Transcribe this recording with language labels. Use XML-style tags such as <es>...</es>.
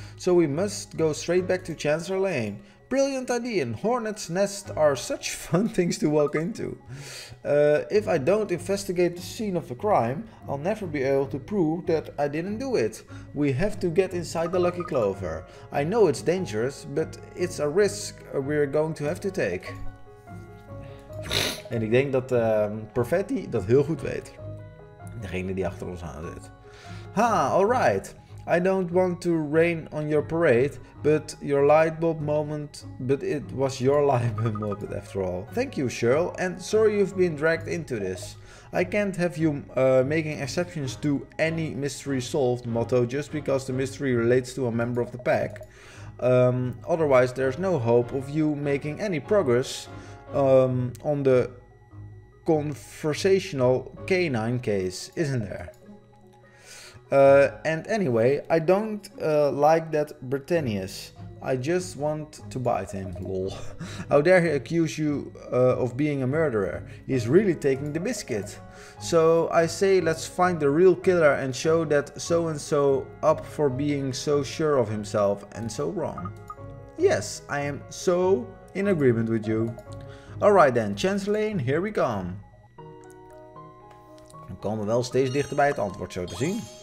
<en>So we must go straight back to Chancellor Lane. Brilliant idea, and hornet's nests are such fun things to walk into. If I don't investigate the scene of the crime, I'll never be able to prove that I didn't do it. We have to get inside the Lucky Clover. I know it's dangerous, but it's a risk we're going to have to take.</en> <nl>En ik denk dat Perfetti dat heel goed weet. Degene die achter ons aan zit. Ha, alright.</nl> <en>I don't want to rain on your parade, but your light bulb moment, but it was your light bulb moment after all. Thank you, Cheryl, and sorry you've been dragged into this. I can't have you making exceptions to any mystery solved motto just because the mystery relates to a member of the pack. Otherwise, there's no hope of you making any progress on the conversational canine case, isn't there? And anyway, I don't like that Britannius. I just want to bite him, lol. How dare he accuse you of being a murderer? He's really taking the biscuit. So I say let's find the real killer and show that so-and-so up for being so sure of himself and so wrong. Yes, I am so in agreement with you. Alright then, Chancellor Lane, here we come.</en> <nl>We komen wel steeds dichter bij het antwoord, zo te zien.</nl>